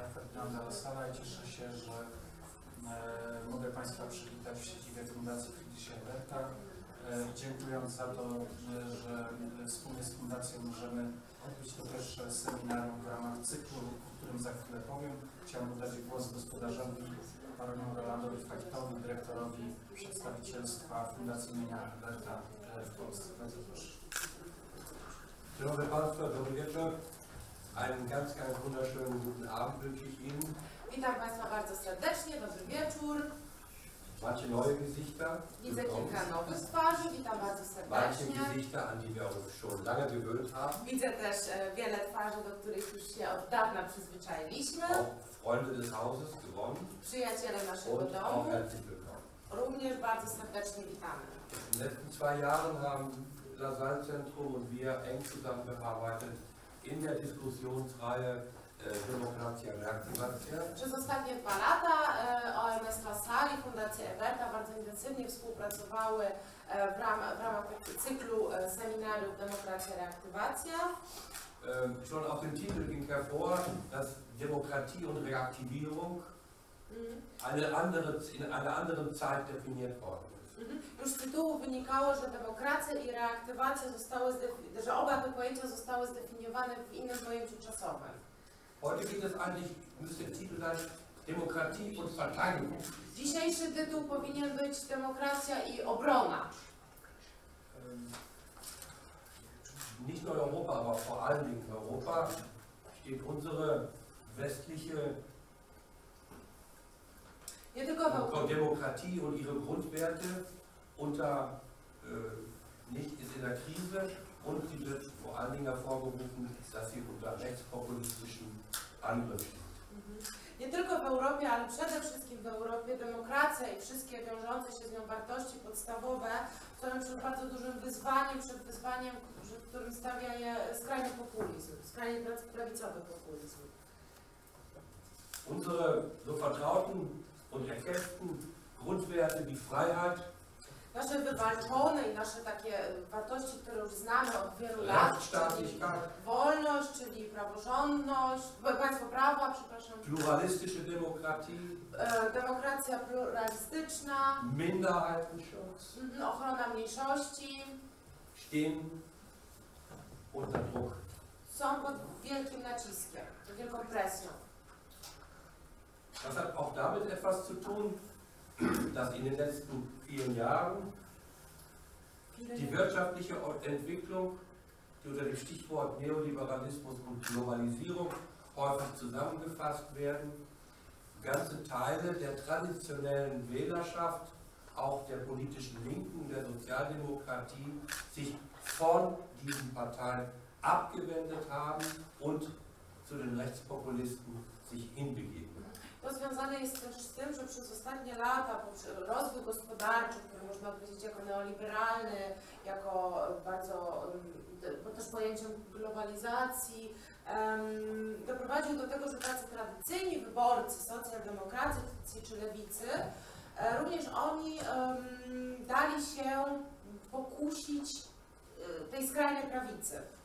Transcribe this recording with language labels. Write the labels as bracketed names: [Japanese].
[Polish] Ferdynanda Lassala i cieszę się, że mogę Państwa przywitać w siedzibie Fundacji Friedricha Eberta, dziękując za to, że wspólnie z Fundacją możemy odbyć to pierwsze seminarium w ramach cyklu, o którym za chwilę powiem. Chciałbym oddać głos gospodarzowi panu Rolandowi Fajtowi, dyrektorowi przedstawicielstwa Fundacji imienia Eberta w Polsce. Bardzo proszę. Szanowni Państwo, dobry wieczór. [German] Einen ganz, ganz wunderschönen guten Abend wünsche ich Ihnen. [Polish] Witam Państwa bardzo serdecznie, dobry wieczór. [German] Manche neue Gesichter. [Polish] Widzę kilka nowych twarzy, witam bardzo serdecznie. [German] Manche Gesichter, an die wir uns schon lange gewöhnt haben. [Polish] Widzę też wiele twarzy, do których już się od dawna przyzwyczailiśmy. [German] Auch Freunde des Hauses gewonnen. [Polish] Przyjaciele naszego [German] und [Polish] domu. [German] Auch herzlich willkommen. [Polish] Również bardzo serdecznie witamy. [German] W letzten zwei Jahren haben das Salzzentrum und wir eng zusammengearbeitet in der Diskussionsreihe Demokratia Reaktivacja. [Polish] Przez ostatnie dwa lata OMS Lassala i Fundacja Eberta bardzo intensywnie współpracowały w ramach cyklu seminariów Demokratia Reaktivacja. [German] Schon auf dem Titel ging hervor, dass Demokratie und Reaktivierung in einer anderen Zeit definiert worden. [Polish] Już z tytułu wynikało, że demokracja i reaktywacja zostały, że oba te pojęcia zostały zdefiniowane w innym pojęciu czasowym. [German] Heute geht es eigentlich, müsste der Titel sein, Demokratie und Verteidigung. [Polish] Dzisiejszy tytuł powinien być Demokracja i Obrona. [German] Nicht nur Europa, aber vor allen Dingen Europa steht unsere westliche. [Polish] Nie tylko w Europie. [German] Demokratie und ihre Grundwerte unter nicht ist in der Krise und sie wird vor allen Dingen hervorgerufen, dass sie unter rechtspopulistischen Angriffen steht. [Polish] Nie tylko w Europie, ale przede wszystkim w Europie demokracja i wszystkie wiążące się z nią wartości podstawowe są przed bardzo dużym wyzwaniem, przed wyzwaniem, którym stawia je skrajny populizm, skrajnie prawicowy populizm. [German] Unsere so vertrauten und erkämpften Grundwerte wie Freiheit, [Polish] nasze wywalczone i nasze takie wartości, które już znamy od wielu lat, czyli wolność, czyli praworządność, państwo prawa, przepraszam, [German] pluralistische Demokratie, [Polish] demokracja pluralistyczna, [German] Minderheitenschutz, [Polish] ochrona mniejszości, [German] stehen unter Druck, [Polish] są pod wielkim naciskiem, pod wielką presją. [German] Das hat auch damit etwas zu tun, dass in den letzten vielen Jahren die wirtschaftliche Entwicklung, die unter dem Stichwort Neoliberalismus und Globalisierung häufig zusammengefasst werden, ganze Teile der traditionellen Wählerschaft, auch der politischen Linken, der Sozialdemokratie, sich von diesen Parteien abgewendet haben und zu den Rechtspopulisten sich hinbegeben. [Polish] To związane jest też z tym, że przez ostatnie lata rozwój gospodarczy, który można powiedzieć jako neoliberalny, jako bardzo, bo też pojęciem globalizacji, doprowadził do tego, że tacy tradycyjni wyborcy, socjaldemokracji czy lewicy, również oni dali się pokusić tej skrajnej prawicy.